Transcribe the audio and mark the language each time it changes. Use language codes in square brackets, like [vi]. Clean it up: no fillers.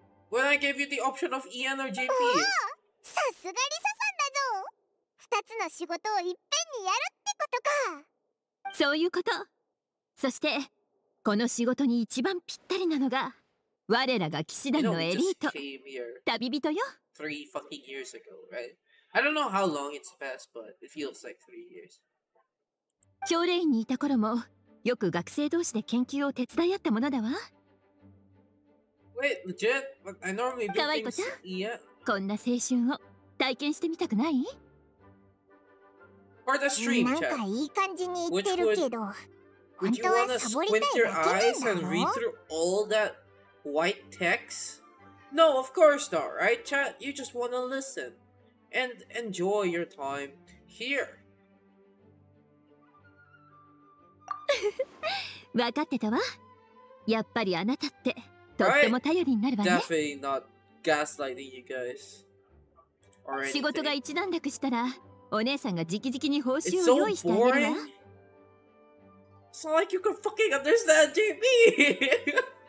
[en] When I gave you the option of EN or JP? [ja] さすがリサさんだぞ。二つの仕事をいっぺんにやるってことか。そういうこと。そして、この仕事に一番ぴったりなのが、我らが騎士団のエリート、旅人よ。 [en] Three fucking years ago, right? I don't know how long it's passed, but it feels like 3 years. [ja] 教練にいた頃も、よく学生同士で研究を手伝い合ったものだわ。 [en] Wait, legit? I normally do things... [ja] かわいこちゃん、こんな青春を体験してみたくない？ [en] For the stream, [ja] なんかいい感じに言ってるけど、本当はサボりたいだけなの？ [en] Would you wanna squint your eyes and read through all that white text? No, of course not, right, chat? You just wanna listen and enjoy your time here. [ja] わかってたわ。やっぱりあなたってとっても頼りになるわね。 [en] Right? Definitely not gaslighting you guys. [ja] 仕事が一段落したら、お姉さんが直々に報酬を用意してあげるわ。 [en] It's not like you can fucking understand JP!